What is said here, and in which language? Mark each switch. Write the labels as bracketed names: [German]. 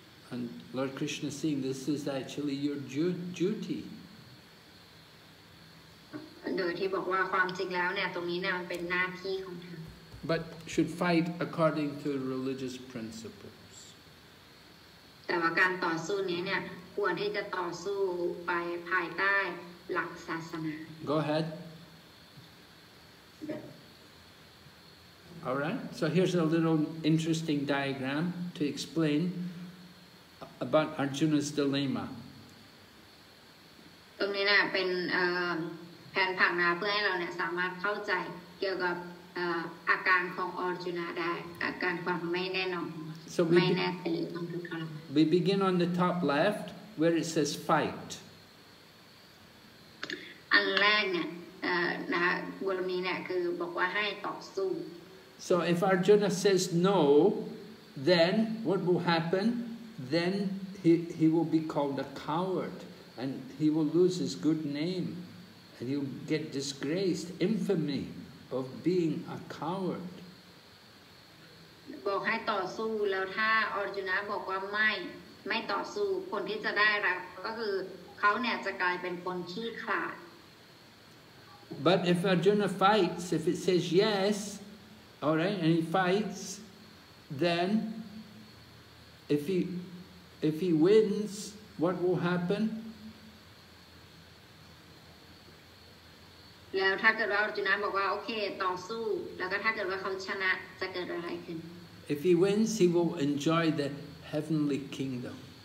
[English] And Lord Krishna is saying, this is actually your duty. [Thai] โดยที่บอกว่าความจริงแล้วเนี่ยตรงนี้เนี่ยมันเป็นหน้าที่ของเธอ [English] But should fight according to religious principles. [Thai] แต่ว่าการต่อสู้นี้เนี่ยควรที่จะต่อสู้ไปภายใต้หลักศาสนา [English] Go ahead. All right. So here's a little interesting diagram to explain about Arjuna's dilemma. [Thai] ตรงนี้เนี่ยเป็นแผนผังนะเพื่อให้เราเนี่ยสามารถเข้าใจเกี่ยวกับอาการของอาร์จุนาได้อาการความไม่แน่นอน [English] so [Thai] ไม่แน่ใจ [English] We begin on the top left where it says fight [Thai] อันแรกเนี่ยนะฮะบทนี้เนี่ยคือบอกว่าให้ต่อสู้ [English] So if Arjuna says no then what will happen then he will be called a coward and he will lose his good name and he'll get disgraced, infamy of being a coward. [Thai] บอกให้ต่อสู้แล้วถ้าอาร์จุนะบอกว่าไม่ต่อสู้คนที่จะได้รับก็คือเขาเนี่ยจะกลายเป็นคนขี้ขลาด [English] But if Arjuna fights, if it says yes, all right, and he fights, then if he wins, what will happen? [Thai] แล้วถ้าเกิดว่าอาร์จุนะบอกว่าโอเคต่อสู้แล้วก็ถ้าเกิดว่าเขาชนะจะเกิดอะไรขึ้น [English] If he wins, he will enjoy the heavenly kingdom.